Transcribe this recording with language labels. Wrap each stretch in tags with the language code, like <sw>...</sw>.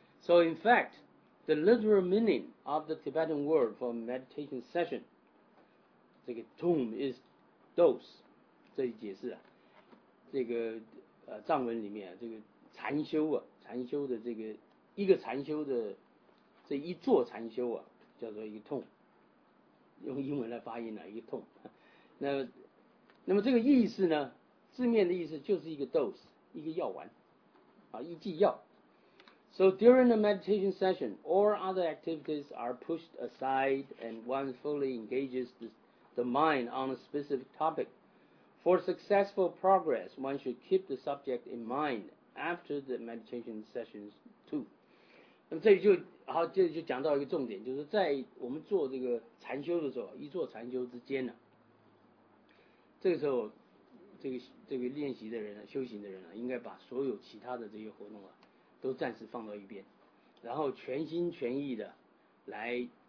<en>So in fact, the literal meaning of the Tibetan word for meditation session,</en> <zh>这个</zh> <en>tomb is dose,</en> <zh>这里解释啊，这个藏文里面、啊、这个禅修啊，禅修的这个一个禅修的这一座禅修啊，叫做一个 tomb, 用英文来发音啊，一个 tomb。那么这个意思呢，字面的意思就是一个 dose, 一个药丸啊，一剂药。</zh> <en>So during the meditation session, all other activities are pushed aside and one fully engages the mind on a specific topic. For successful progress, one should keep the subject in mind after the meditation sessions too.</en> <zh>那么这里就讲到一个重点，就是在我们做这个禅修的时候，一做禅修之间呢、啊，这个时候这个练习的人啊，修行的人啊，应该把所有其他的这些活动啊都暂时放到一边，然后全心全意的来</zh>